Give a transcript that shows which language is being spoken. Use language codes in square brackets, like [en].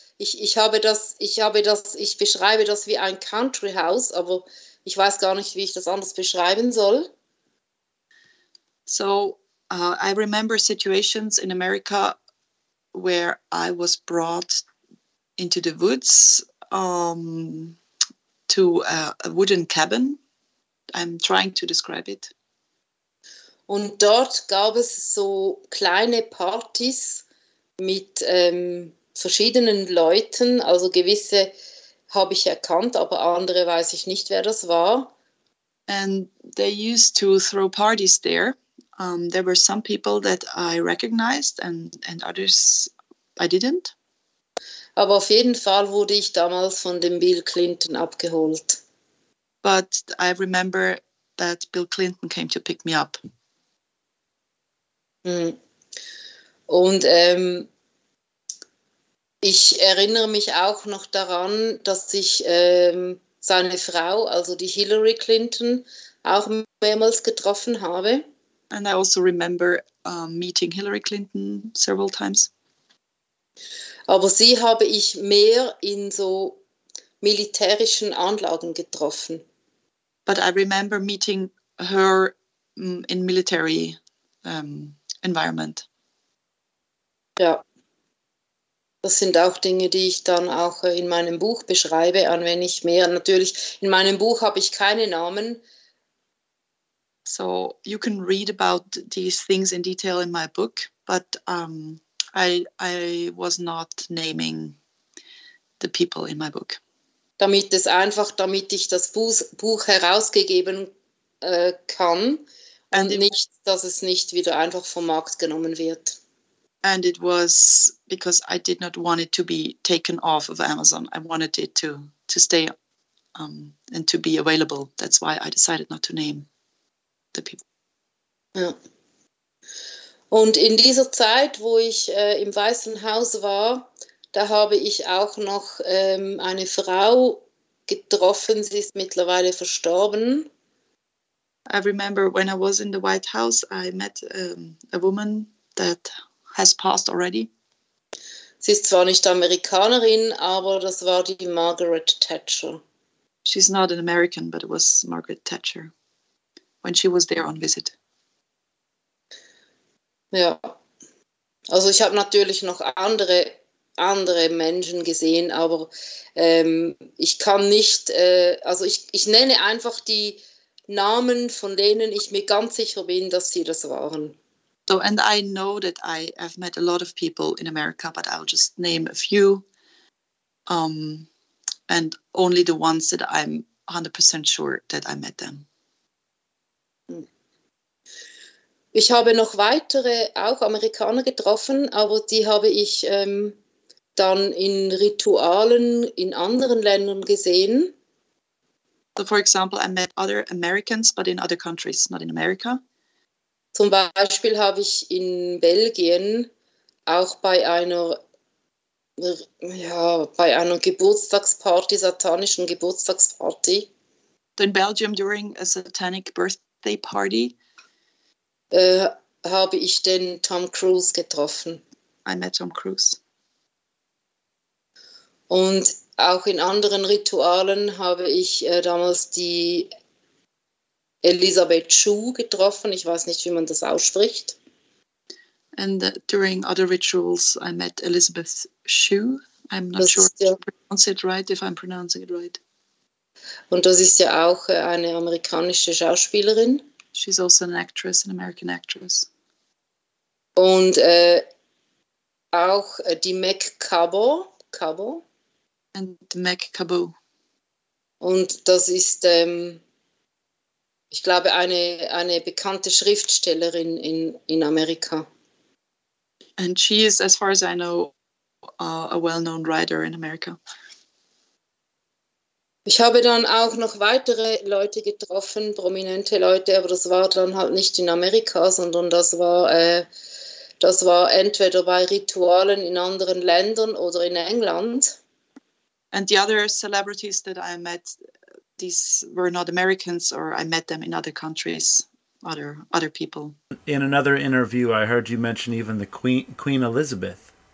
[de] Ich beschreibe das wie ein Country House, aber ich weiß gar nicht, wie ich das anders beschreiben soll. [en] So, I remember situations in America where I was brought into the woods to a wooden cabin. I'm trying to describe it. [de] Und dort gab es so kleine Partys mit verschiedenen Leuten. Also gewisse habe ich erkannt, aber andere weiß ich nicht, wer das war. [en] And they used to throw parties there. There were some people that I recognized and others I didn't. [de] Aber auf jeden Fall wurde ich damals von dem Bill Clinton abgeholt. [en] But I remember that Bill Clinton came to pick me up. [de] Und ich erinnere mich auch noch daran, dass ich seine Frau, also die Hillary Clinton, auch mehrmals getroffen habe. [en] And I also remember meeting Hillary Clinton several times. [de] Aber sie habe ich mehr in so militärischen Anlagen getroffen. [en] But I remember meeting her in military environment. [de] Ja, das sind auch Dinge, die ich dann auch in meinem Buch beschreibe, an wenn ich mehr. Natürlich, in meinem Buch habe ich keine Namen. [en] So you can read about these things in detail in my book, but I was not naming the people in my book. [de] Damit ich das Buch herausgegeben kann und nicht, dass es nicht wieder einfach vom Markt genommen wird. [en] And it was because I did not want it to be taken off of Amazon. I wanted it to stay and to be available. That's why I decided not to name the people. Ja. [de] Und in dieser Zeit, wo ich im Weißen Haus war, da habe ich auch noch eine Frau getroffen. Sie ist mittlerweile verstorben. [en] I remember when I was in the White House, I met a woman that has passed already. [de] Sie ist zwar nicht Amerikanerin, aber das war die Margaret Thatcher. [en] She's not an American, but it was Margaret Thatcher when she was there on visit. [de] Ja, also ich habe natürlich noch andere Menschen gesehen, aber ich kann nicht, also ich nenne einfach die Namen, von denen ich mir ganz sicher bin, dass sie das waren. [en] So, and I know that I have met a lot of people in America, but I'll just name a few. And only the ones that I'm 100% sure that I met them. [de] Ich habe noch weitere, auch Amerikaner getroffen, aber die habe ich dann in Ritualen in anderen Ländern gesehen. [en] So for example, I met other Americans, but in other countries, not in America. [de] Zum Beispiel habe ich in Belgien auch bei einer Geburtstagsparty, satanischen Geburtstagsparty. [en] In Belgium during a satanic birthday party. [de] Habe ich den Tom Cruise getroffen. [en] I met Tom Cruise. [de] Und auch in anderen Ritualen habe ich damals die Elisabeth Chu getroffen. Ich weiß nicht, wie man das ausspricht. [en] And during other rituals I met Elizabeth Chu. I'm not sure if I pronounce it right, if I'm pronouncing it right. [de] Und das ist ja auch eine amerikanische Schauspielerin. [en] She's also an actress, an American actress. [de] Und auch die Meg Cabo. Cabo. [en] And Meg Cabo. [de] Und das ist, ich glaube, eine bekannte Schriftstellerin in Amerika. [en] And she is, as far as I know, a well-known writer in America. [de] Ich habe dann auch noch weitere Leute getroffen, prominente Leute, aber das war dann halt nicht in Amerika, sondern das war entweder bei Ritualen in anderen Ländern oder in England. [en] And the other celebrities that I met, these were not Americans, or I met them in other countries, other people. In another interview, I heard you mention even the Queen Elizabeth.